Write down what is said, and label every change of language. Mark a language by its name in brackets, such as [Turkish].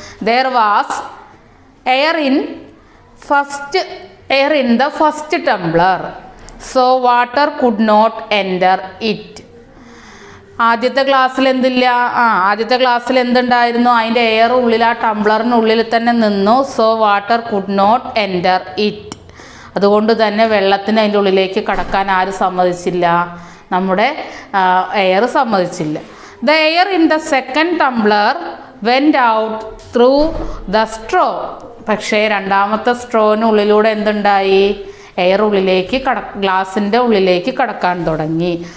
[English] There was air in first air in the first tumbler so water could not enter it. [Malayalam] ആദ്യത്തെ ഗ്ലാസ്സിൽ എന്തില്ല, ആദ്യത്തെ ഗ്ലാസ്സിൽ എന്തുണ്ടായിരുന്നു, അതിൻ്റെ എയർ ഉള്ളിൽ ആ ടംബ്ലറിനുള്ളിൽ തന്നെ നിന്നു. [English] so water could not enter it. [Malayalam] അതുകൊണ്ട് തന്നെ വെള്ളത്തിന് അതിൻ്റെ ഉള്ളിലേക്ക് കടക്കാൻ ആര് സമ്മതിച്ചില്ല, നമ്മുടെ എയർ സമ്മതിച്ചില്ല. [English] The air in the second tumbler went out through the straw. [Malayalam] പക്ഷേ രണ്ടാമത്തെ സ്ട്രോവിനുള്ളിലൂടെ എന്തുണ്ടായി, എയർ ഉള്ളിലേക്ക് ഗ്ലാസിൻ്റെ ഉള്ളിലേക്ക് കടക്കാൻ തുടങ്ങി.